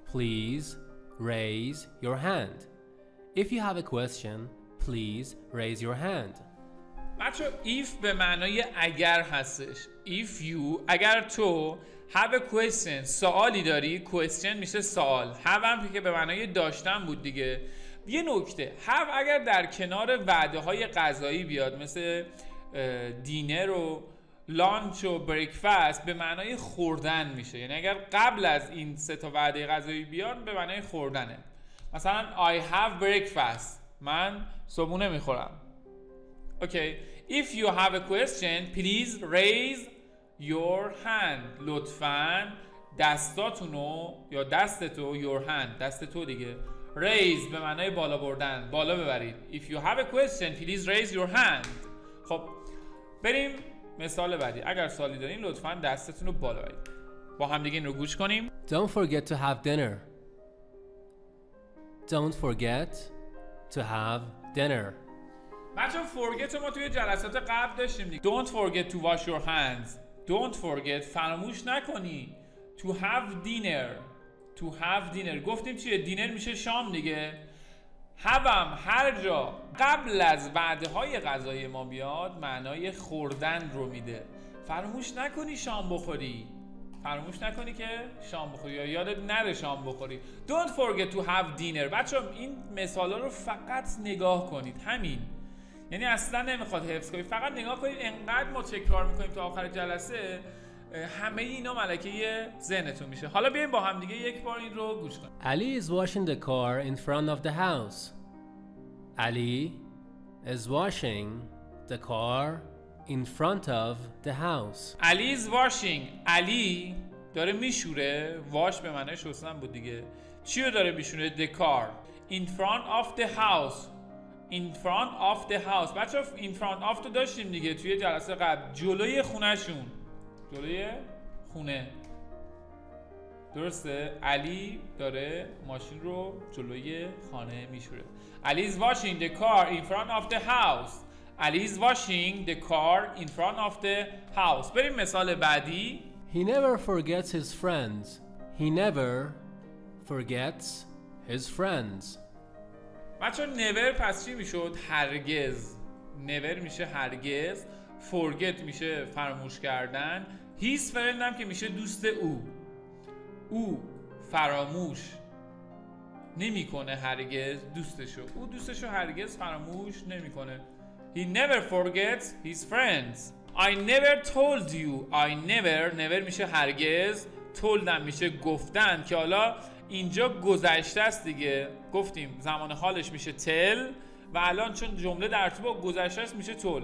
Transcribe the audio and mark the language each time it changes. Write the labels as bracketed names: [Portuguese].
[English] If you have a question, please raise your hand. If you have a question, please raise your hand. [Persian] بچه if به معنای اگر هستش. [English] If you، [Persian] اگر تو، [English] have a question، [Persian] سوالی داری، question میشه سوال. Have هم که به معنای داشتن بود دیگه. یه نکته، have اگر در کنار وعده های غذایی بیاد مثل دینر و لانچ و بریکفاست به معنای خوردن میشه. یعنی اگر قبل از این سه تا وعده غذایی بیان به معنای خوردنه. مثلا [English] I have breakfast، [Persian] من صبحونه میخورم. [English] Okay. If you have a question please raise your hand، [Persian] لطفاً دستاتونو یا دستتو [English] your hand [Persian] دستتو دیگه raise به معنای بالا بردن بالا ببرید [English] if you have a question please raise your hand [Persian] خب بریم مثال بعدی اگر سوالی دارین لطفاً دستتونو بالا ببرید با هم دیگه این رو گوش کنیم [English] don't forget to have dinner don't forget to have dinner [Persian] بچه forget ما توی جلسات قبل داشتیم دیگه [English] don't forget to wash your hands don't forget [Persian] فراموش نکنی [English] to have dinner to have dinner [Persian] گفتیم چیه دینر میشه شام دیگه هم هر جا قبل از وعده های غذای ما بیاد معنای خوردن رو میده فراموش نکنی شام بخوری فراموش نکنی که شام بخوری یا یادت نره شام بخوری [English] don't forget to have dinner [Persian] بچه این مثال ها رو فقط نگاه کنید همین یعنی اصلا نمیخواد حفظ کنید فقط نگاه کنید انقدر ما تکرار میکنیم تا آخر جلسه همه اینا ملکه ذهنتون میشه حالا بیاییم با هم دیگه یک بار این رو گوش کنیم [English] Ali is washing the car in front of the house Ali is washing the car in front of the house Ali is washing [Persian] Ali داره میشوره واش به معنی شستن بود دیگه چی رو داره میشوره [English] the car in front of the house in front of [Persian] the house بچه in front of تو داشتیم دیگه توی جلسه قبل جلوی خونه شون جلوی خونه درسته علی داره ماشین رو جلوی خانه میشوره علی [English] is washing the car in front of the house [Persian] علی is washing the car in front of the house بریم مثال بعدی [English] He never forgets his friends He never forgets his friends [Persian] بچه never پس چی میشد؟ هرگز never میشه هرگز forget میشه فراموش کردن [English] His friend [Persian] هم که میشه دوست او او فراموش نمی کنه هرگز دوستشو او دوستشو هرگز فراموش نمی کنه [English] He never forgets his friends I never told you I never [Persian] never میشه هرگز told هم میشه گفتن که حالا اینجا گذشته است دیگه گفتیم زمان حالش میشه tell و الان چون جمله در ارتباط گذشته است میشه